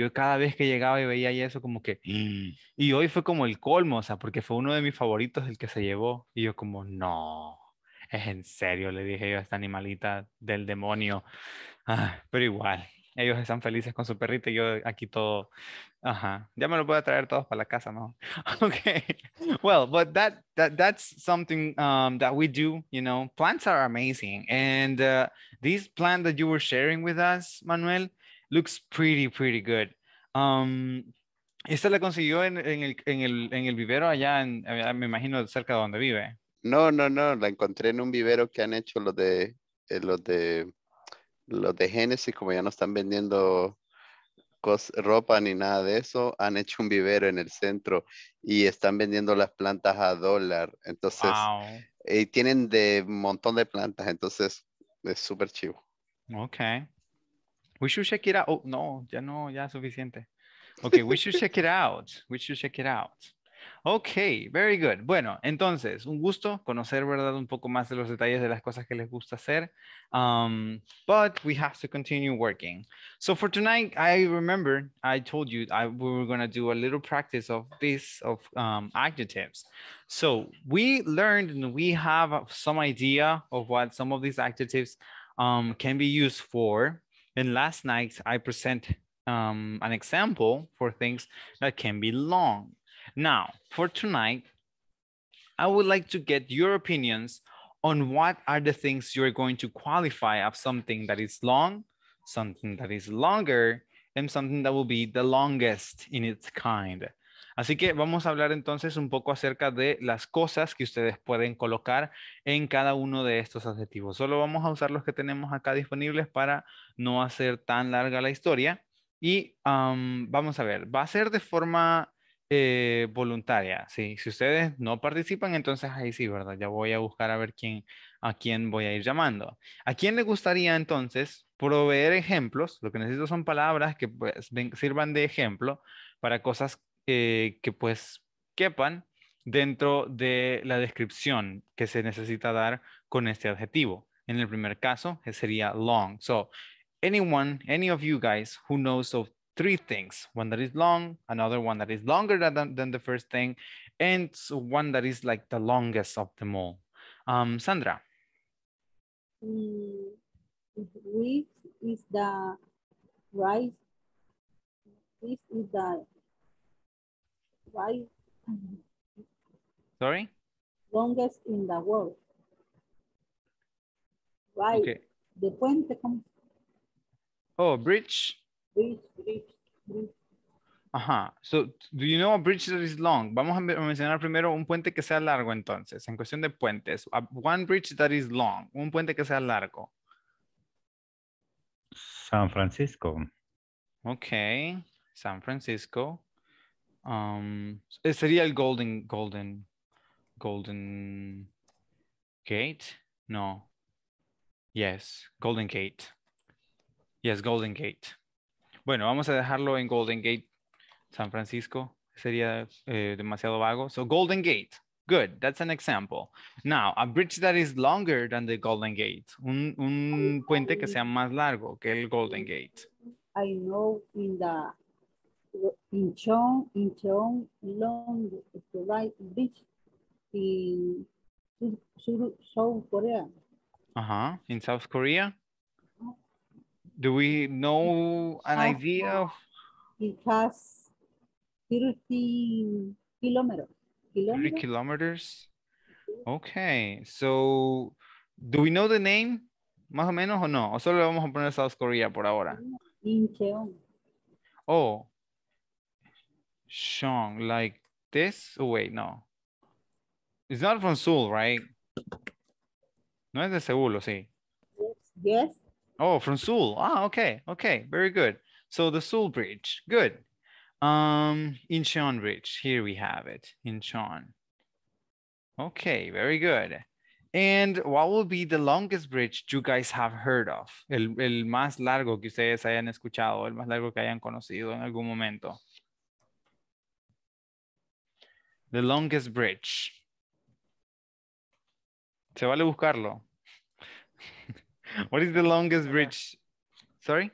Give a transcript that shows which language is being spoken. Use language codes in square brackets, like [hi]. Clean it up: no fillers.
[es] Yo cada vez que llegaba y veía eso, como que... Y hoy fue como el colmo, o sea, porque fue uno de mis favoritos el que se llevó. Y yo como, no, es en serio, le dije yo a esta animalita del demonio. Ah, pero igual, ellos están felices con su perrito y yo aquí todo... Ajá, ya me lo voy a traer todos para la casa, ¿no? [en] Okay, well, but that's something that we do, you know. Plants are amazing. And this plant that you were sharing with us, Manuel, looks pretty, pretty good. [es] ¿Esta la consiguió en el vivero allá, me imagino, cerca de donde vive? No, la encontré en un vivero que han hecho los de Génesis, como ya no están vendiendo... ropa ni nada de eso, han hecho un vivero en el centro y están vendiendo las plantas a dólar, entonces, y tienen de montón de plantas, entonces es súper chivo. [en] Ok, we should check it out. [es] Oh, no, ya no, ya es suficiente. [en] Ok, we should check it out, we should check it out. Ok, very good. [es] Bueno, entonces, un gusto conocer, ¿verdad?, un poco más de los detalles de las cosas que les gusta hacer. [en] But we have to continue working. So for tonight, I remember I told you we were going to do a little practice of this, of adjectives. So we learned and we have some idea of what some of these adjectives can be used for. And last night, I present an example for things that can be long. Now, for tonight, I would like to get your opinions on what are the things you're going to qualify of something that is long, something that is longer, and something that will be the longest in its kind. [es] Así que vamos a hablar entonces un poco acerca de las cosas que ustedes pueden colocar en cada uno de estos adjetivos. Solo vamos a usar los que tenemos acá disponibles para no hacer tan larga la historia. Y vamos a ver, va a ser de forma... voluntaria, sí. Si ustedes no participan, entonces ahí sí, ¿verdad? Ya voy a buscar a ver a quién voy a ir llamando. ¿A quién le gustaría entonces proveer ejemplos? Lo que necesito son palabras que pues sirvan de ejemplo para cosas que pues quepan dentro de la descripción que se necesita dar con este adjetivo. En el primer caso, sería long. [en] So, anyone, any of you guys who knows of three things, one that is long, another one that is longer than the first thing, and one that is like the longest of them all. Sandra. Width is the right. Width is the right. Sorry? Longest in the world. Right. Okay. The puente. Oh, bridge? Bridge. Ajá. So, do you know a bridge that is long? [es] Vamos a mencionar primero un puente que sea largo entonces, en cuestión de puentes. [en] One bridge that is long. [es] Un puente que sea largo. [en] San Francisco. [es] Okay. San Francisco. Sería el Golden Gate. No. [en] Yes, Golden Gate. Yes, Golden Gate. [es] Bueno, vamos a dejarlo en Golden Gate, San Francisco. Sería demasiado vago. [en] So, Golden Gate. Good. That's an example. Now, a bridge that is longer than the Golden Gate. [es] Un puente que sea más largo que el Golden Gate. [en] I know in the Incheon Long Bridge in South Korea. Uh-huh. In South Korea? Do we know an idea? It has 13 kilometers. 3 kilometers. Okay. So, do we know the name? [es] Más o menos o no? O solo vamos a poner South Korea por ahora. [en] Incheon. Oh. Sean, like this? Oh, wait, no. It's not from Seoul, right? [es] No es de Seúl, ¿o sí? [en] Yes. Oh, from Seoul. Ah, okay. Okay, very good. So the Seoul Bridge. Good. Incheon Bridge. Here we have it. Incheon. Okay, very good. And what will be the longest bridge you guys have heard of? [es] El más largo que ustedes hayan escuchado, el más largo que hayan conocido en algún momento. [en] The longest bridge. [es] ¿Se vale buscarlo? [en] What is the longest bridge? Sorry?